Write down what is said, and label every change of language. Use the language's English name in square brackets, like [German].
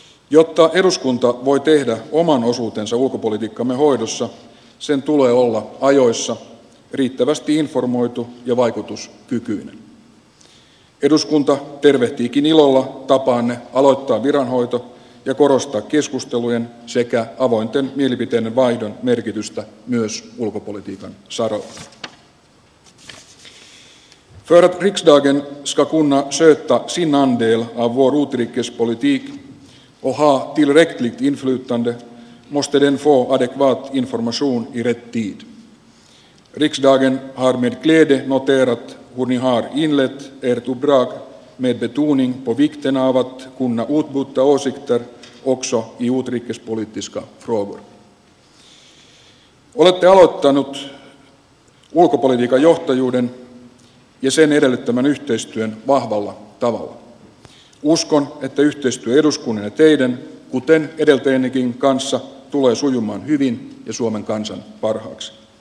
[Finnish] Jotta eduskunta voi tehdä oman osuutensa ulkopolitiikkamme hoidossa, sen tulee olla ajoissa riittävästi informoitu ja vaikutuskykyinen. Eduskunta tervehtiikin ilolla tapaanne aloittaa viranhoito ja korostaa keskustelujen sekä avointen mielipiteiden vaihdon merkitystä myös ulkopolitiikan saralla. [Swedish] För att riksdagen ska kunna sköta sin andel av vår utrikespolitik och ha tillräckligt inflytande måste den få adekvat information i rätt tid. Riksdagen har med glädje noterat hur ni har inlett ert uppdrag med betoning på vikten av att kunna utbyta åsikter också i utrikespolitiska frågor. [Finnish] Olette aloittanut ulkopolitiikan johtajuuden ja sen edellyttämän yhteistyön vahvalla tavalla. Uskon, että yhteistyö eduskunnan ja teidän, kuten edeltäjännekin kanssa, tulee sujumaan hyvin ja Suomen kansan parhaaksi.